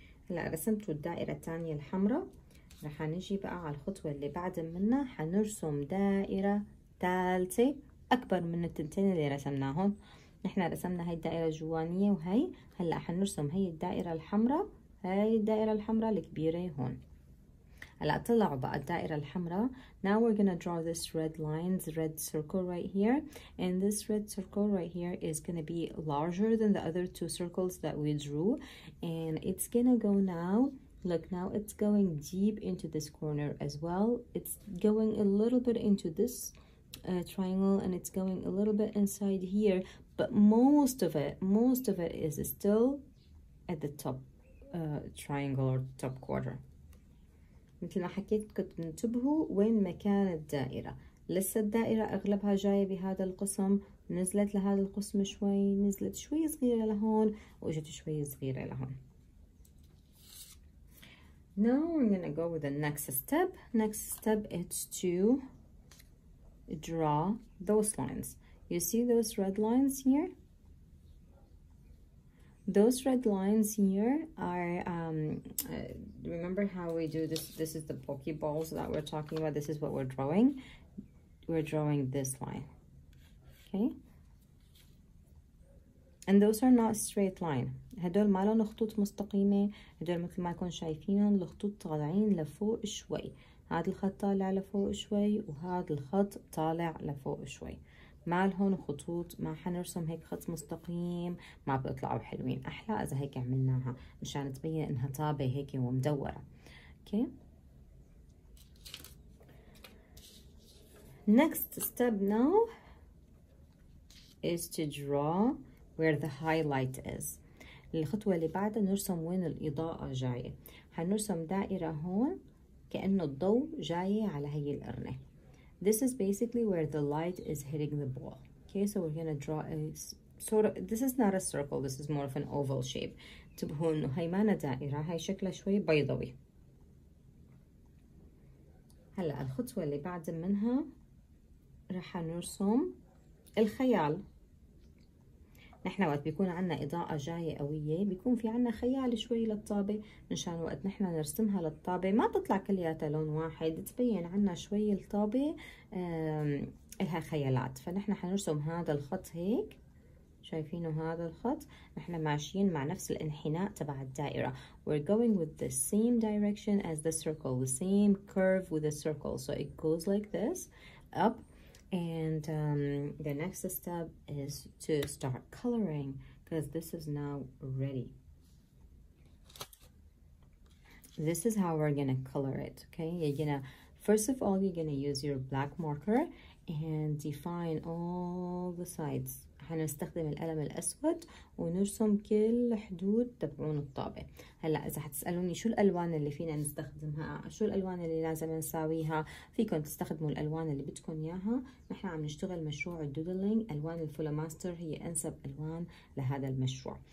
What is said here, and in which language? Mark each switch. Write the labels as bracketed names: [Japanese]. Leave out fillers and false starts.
[Arabic] هلا رسمتوا الدائرة الثانية الحمراء، رح نجي بقى على الخطوة اللي بعد منها، حنرسم دائرة ثالثة أكبر من التنتين اللي رسمناهم. نحنا رسمنا هاي الدائرة الجوانية، وهي هلا حنرسم هاي الدائرة الحمراء، هاي الدائرة الحمراء الكبيرة هون. هلا طلعوا بقى الدائرة الحمراء. [English] Now we're gonna draw this red line, the red circle right here. And this red circle right here is gonna be larger than the other two circles that we drew. And it's gonna go now. Look, now it's going deep into this corner as well. It's going a little bit into this triangle, and it's going a little bit inside here. But most of it is still at the top triangle or top quarter. [Arabic] مثل ما حكيت كنتم انتبهوا وين مكان الدائرة. لسه الدائرة أغلبها جاية بهذا القسم، نزلت لهذا القسم شوي، نزلت شوي صغيرة لهون، وإجت شوي صغيرة لهون. [English] Now we're gonna go with the next step. Next step is to draw those lines. You see those red lines here? Those red lines here are, remember how we do this? This is the Pokeballs that we're talking about. This is what we're drawing. We're drawing this line, okay? And those are not straight line. [Arabic] هدول ما لهم خطوط مستقيمة. هدول مثل ما يكون شايفينهم الخطوط طالعين لفوق شوي. هذا الخط طالع لفوق شوي وهذا الخط طالع لفوق شوي. ما لهم خطوط. ما حنرسم هيك خط مستقيم. ما بيطلعوا حلوين. أحلى إذا هيك عملناها مشان تبين إنها طابة هيك ومدورة. [English] Okay. Next step now is to draw where the highlight is. [Arabic] الخطوة اللي بعدها نرسم وين الإضاءة جاية. هنرسم دائرة هون كأنه الضوء جاية على هي القرنة. [English] This is basically where the light is hitting the ball. Okay, so we're gonna draw a sort of, this is not a circle, this is more of an oval shape. [Arabic] تبهو إنه هي مانا دائرة, هي شكلها شوي بيضوي. هلا الخطوة اللي بعد منها رح نرسم الخيال. نحن وقت بيكون عنا إضاءة جاية قوية بيكون في عنا خيال شوي للطابة, منشان وقت نحن نرسمها للطابة ما تطلع كلياتها لون واحد, تبين عنا شوي الطابة لها خيالات. فنحن حنرسم هذا الخط هيك, شايفينه هذا الخط. نحن ماشيين مع نفس الانحناء تبع الدائرة. [English] We're going with the same direction as the circle, the same curve with the circle. So it goes like this, up. And the next step is to start coloring because this is now ready. This is how we're gonna color it, okay? You're gonna, first of all, you're gonna use your black marker and define all the sides. [Arabic] هنستخدم القلم الأسود ونرسم كل حدود تبعون الطابة. هلأ إذا هتسألوني شو الألوان اللي فينا نستخدمها, شو الألوان اللي لازم نساويها, فيكن تستخدموا الألوان اللي بتكون ياها. نحن عم نشتغل مشروع الدودلينج, ألوان الفولاماستر هي أنسب ألوان لهذا المشروع.